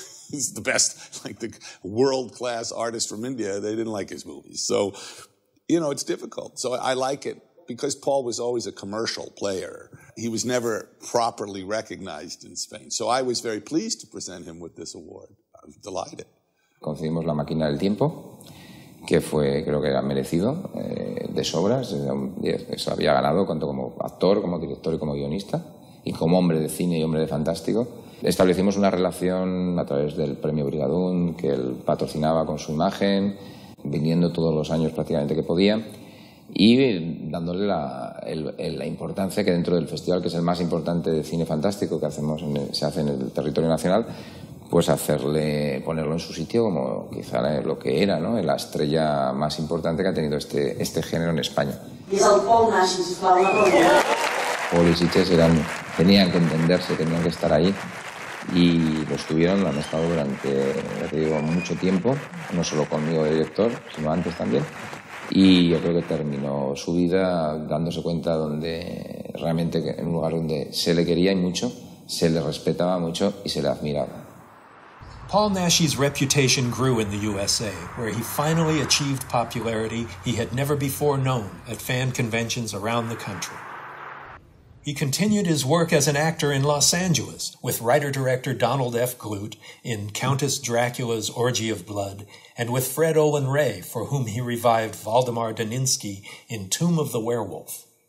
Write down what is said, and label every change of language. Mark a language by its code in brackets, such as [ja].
[en] He's the best, like the world-class artist from India. They didn't like his movies. So, you know, it's difficult. So I like it because Paul was always a commercial player. He was never properly recognized in Spain. So I was very pleased to present him with this award. I was delighted. [es] Concedimos la máquina del tiempo, que fue, creo que era merecido, de sobras. Se había ganado tanto como actor, como director y como guionista, y como hombre de cine y hombre de fantástico. Establecimos una relación a través del premio Brigadoon, que él patrocinaba con su imagen, viniendo todos los años prácticamente que podía, y dándole la importancia que dentro del festival, que es el más importante de cine fantástico que hacemos se hace en el territorio nacional, pues hacerle, ponerlo en su sitio como quizá lo que era, ¿no? La estrella más importante que ha tenido este género en España. Paul y Sitges tenían que entenderse, tenían que estar ahí, y lo estuvieron, lo han estado durante, ya te digo, mucho tiempo, no solo conmigo de director, sino antes también. Y yo creo que terminó su vida dándose cuenta donde realmente en un lugar donde se le quería y mucho, se le respetaba mucho y se le admiraba. [en] Paul Naschy's reputation grew in the USA, where he finally achieved popularity he had never before known at fan conventions around the country. He continued his work as an actor in Los Angeles with writer-director Donald F. Glute in Countess Dracula's Orgy of Blood, and with Fred Olen Ray, for whom he revived Waldemar Daninsky in Tomb of the Werewolf.